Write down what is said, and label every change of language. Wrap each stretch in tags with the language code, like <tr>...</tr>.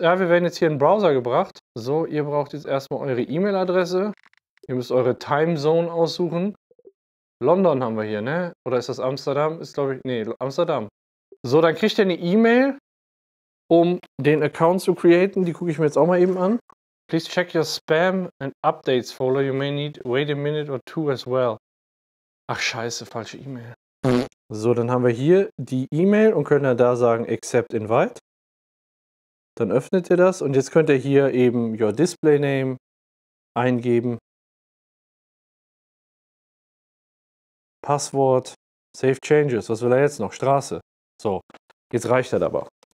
<de>Ja, wir werden jetzt hier in den Browser gebracht. So, ihr braucht jetzt erstmal eure E-Mail-Adresse. Ihr müsst eure Timezone aussuchen. London haben wir hier, ne? Oder ist das Amsterdam? Ist, glaube ich, nee, Amsterdam. So, dann kriegt ihr eine E-Mail, um den Account zu createn. Die gucke ich mir jetzt auch mal eben an.</de> <en>Please check your Spam and Updates folder. You may need wait a minute or two as well.</en> <de>Ach scheiße, falsche E-Mail. So, dann haben wir hier die E-Mail und können dann da sagen Accept Invite. Dann öffnet ihr das und jetzt könnt ihr hier eben</de> <en>your Display Name</en> <de>eingeben. Passwort. Save Changes. Was will er jetzt noch? Straße. So, jetzt reicht das aber.</de>